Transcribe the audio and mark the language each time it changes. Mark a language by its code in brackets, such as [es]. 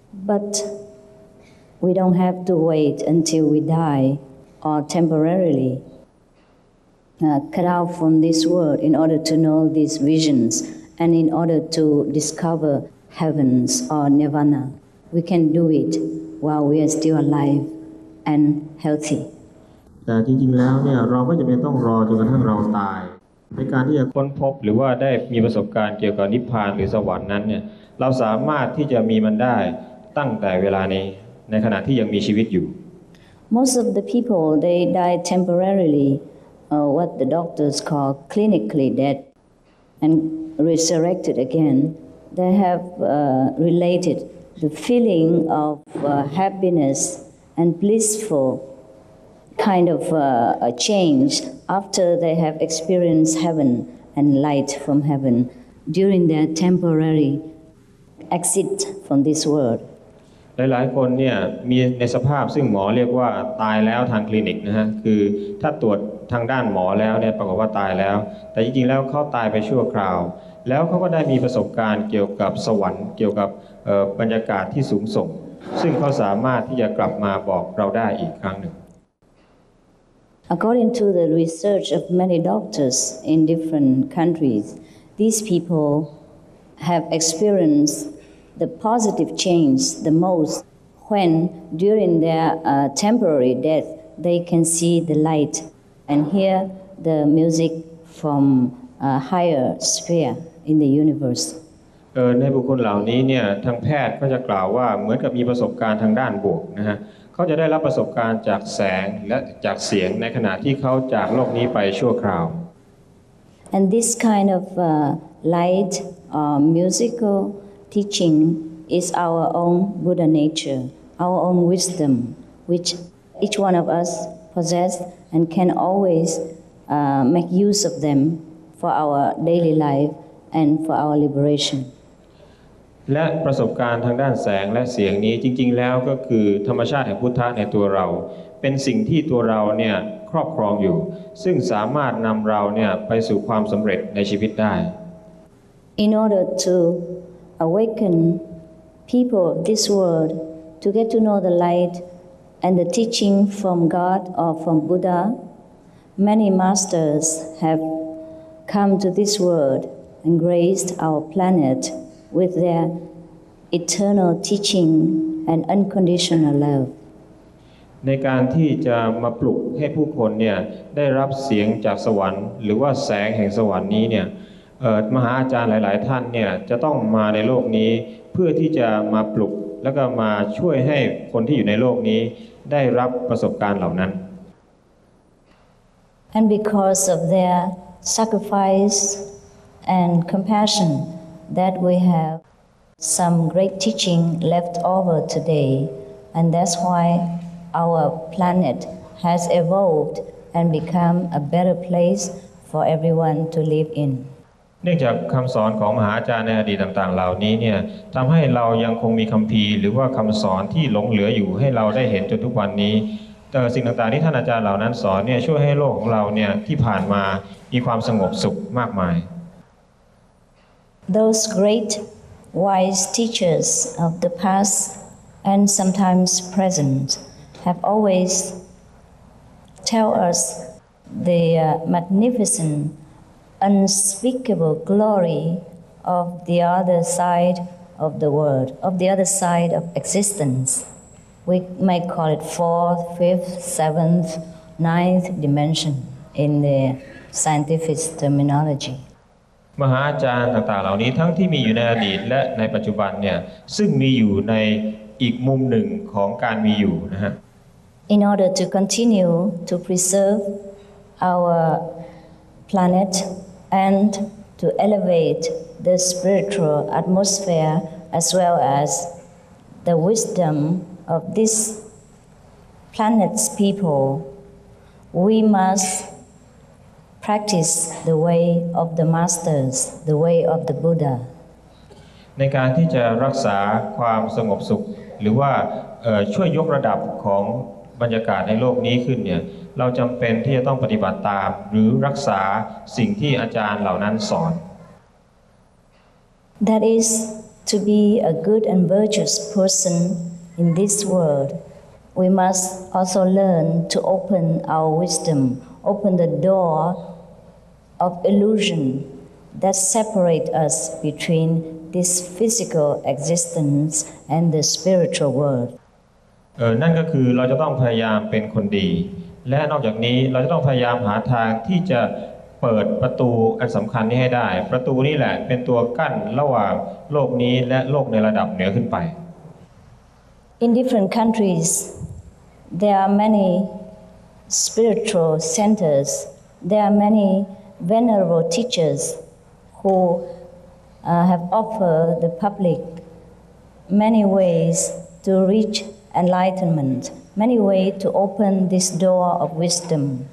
[en] But we don't have to wait until we die or temporarilycut out from this world in order to know these visions and in order to discover heavens or nirvana. We can do it while we are still alive and healthy. [th] แต่จริงๆแล้วเนี่ยเราก็จะไม่ต้องรอจนกระทั่งเราตายในการที่จะค้นพบหรือว่าได้มีประสบการณ์เกี่ยวกับนิพพานหรือสวรรค์นั้นเนี่ยเราสามารถที่จะมีมันได้ตั้งแต่เวลานี้ในขณะที่ยังมีชีวิตอยู่ [en] Most of the people they die temporarilywhat the doctors call clinically dead and resurrected again, they have related the feeling of happiness and blissful kind of a change after they have experienced heaven and light from heaven during their temporary exit from this world. [th] หลายๆคนเนี่ยมีในสภาพซึ่งหมอเรียกว่าตายแล้วทางคลินิกนะฮะคือถ้าตรวจทางด้านหมอแล้วเนี่ยปรากฏว่าตายแล้วแต่จริงๆแล้วเขาตายไปชั่วคราวแล้วเขาก็ได้มีประสบการณ์เกี่ยวกับสวรรค์เกี่ยวกับบรรยากาศที่สูงส่งซึ่งเขาสามารถที่จะกลับมาบอกเราได้อีกครั้งหนึ่ง [en] According to the research of many doctors in different countries, these people have experienced the positive change the most when during their temporary death they can see the light. And hear the music from a higher sphere in the universe. [th] ในบุคคลเหล่านี้เนี่ยทางแพทย์ก็จะกล่าวว่าเหมือนกับมีประสบการณ์ทางด้านบวกนะฮะเขาจะได้รับประสบการณ์จากแสงและจากเสียงในขณะที่เขาจากโลกนี้ไปชั่วคราว [en] And this kind of light or musical teaching is our own Buddha nature, our own wisdom, which each one of us possess. And can always make use of them for our daily life and for our liberation. [th] และประสบการณ์ทางด้านแสงและเสียงนี้จริงๆแล้วก็คือธรรมชาติแห่งพุทธะในตัวเราเป็นสิ่งที่ตัวเราเนี่ยครอบครองอยู่ซึ่งสามารถนำเราเนี่ยไปสู่ความสำเร็จในชีวิตได้ [en] In order to awaken people of this world to get to know the light. And the teaching from God or from Buddha, many masters have come to this world and graced our planet with their eternal teaching and unconditional love. [th] ในการที่จะมาปลุกให้ผู้คนเนี่ยได้รับเสียงจากสวรรค์หรือว่าแสงแห่งสวรรค์นี้เนี่ยมหาอาจารย์หลายๆท่านเนี่ยจะต้องมาในโลกนี้เพื่อที่จะมาปลุกแล้วก็มาช่วยให้คนที่อยู่ในโลกนี้ได้รับประสบการณ์เหล่านั้น [en] And because of their sacrifice and compassion that we have some great teaching left over today and that's why our planet has evolved and become a better place for everyone to live in [th] เนื่องจากคำสอนของมหาอาจารย์ในอดีตต่างๆเหล่านี้เนี่ยทำให้เรายังคงมีคัมภีร์หรือว่าคำสอนที่หลงเหลืออยู่ให้เราได้เห็นจนทุกวันนี้แต่สิ่งต่างๆที่ท่านอาจารย์เหล่านั้นสอนเนี่ยช่วยให้โลกของเราเนี่ยที่ผ่านมามีความสงบสุขมากมาย [en] Those great wise teachers of the past and sometimes present have always tell us the magnificentUnspeakable glory of the other side of the world, of the other side of existence. We might call it fourth, fifth, seventh, ninth dimension in the scientific terminology. [th] มหาอาจารย์ต่างๆเหล่านี้ทั้งที่มีอยู่ในอดีตและในปัจจุบันเนี่ยซึ่งมีอยู่ในอีกมุมหนึ่งของการมีอยู่นะฮะ [en] In order to continue to preserve our planet. And to elevate the spiritual atmosphere as well as the wisdom of this planet's people, we must practice the way of the masters, the way of the Buddha. [th] ในการที่จะรักษาความสงบสุข หรือว่าช่วยยกระดับของบรรยากาศในโลกนี้ขึ้นเนี่ยเราจำเป็นที่จะต้องปฏิบัติตามหรือรักษาสิ่งที่อาจารย์เหล่านั้นสอน [en] That is to be a good and virtuous person in this world we must also learn to open our wisdom open the door of illusion that separate us between this physical existence and the spiritual world [th] นั่นก็คือเราจะต้องพยายามเป็นคนดีและนอกจากนี้เราจะต้องพยายามหาทางที่จะเปิดประตูอันสำคัญนี้ให้ได้ประตูนี้แหละเป็นตัวกั้นระหว่างโลกนี้และโลกในระดับเหนือขึ้นไป [en] In different countries there are many spiritual centers there are many venerable teachers whohave offered the public many ways to reach enlightenment many ways to open this door of wisdom